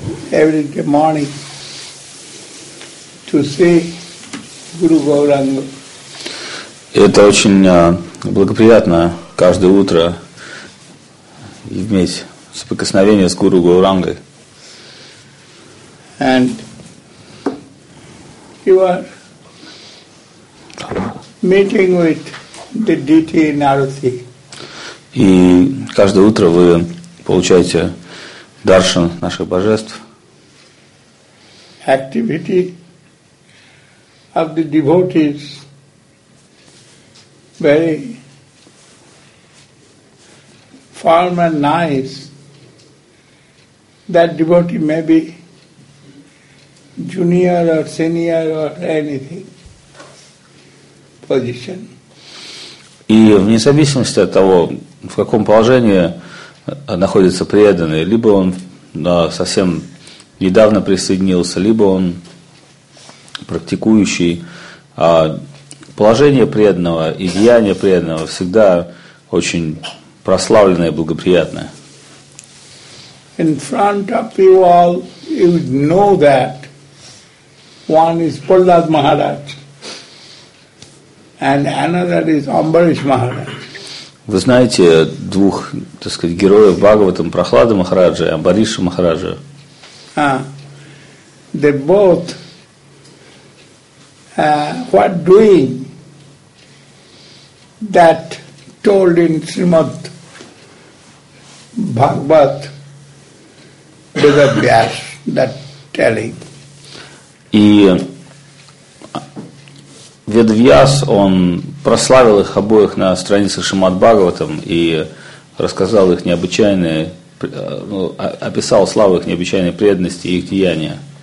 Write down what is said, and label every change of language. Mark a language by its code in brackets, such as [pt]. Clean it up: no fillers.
[en] Every day morning to see Guru Gauranga. [ru] Это очень благоприятно каждое утро иметь соприкосновение с Гуру Гаурангой. [en] And you are meeting with the deity Narasi. [ru] И каждое утро вы получаете даршан наших божеств. [en] Activity of the devotees. Very firm and nice. That devotee may be junior or senior or anything position. [ru] И вне зависимости от того, в каком положении находится преданный, либо он совсем недавно присоединился, либо он практикующий. Положение преданного и деяние преданного всегда очень прославленное и благоприятное. [en] In front of you all, you know that one is Prahlad Maharaj and another is Ambarish Maharaj. [ru] Вы знаете двух, так сказать, героев Бхагаватам, Прахлада Махараджа и Амбариша Махараджа. [en] They both what doing that told in Srimad Bhagavat Vedavyas, that telling. [ru] И Ведвьяс, он прославил их обоих на странице Шримад Бхагаватам и рассказал их необычайные, описал славу их необычайной преданности и их деяния.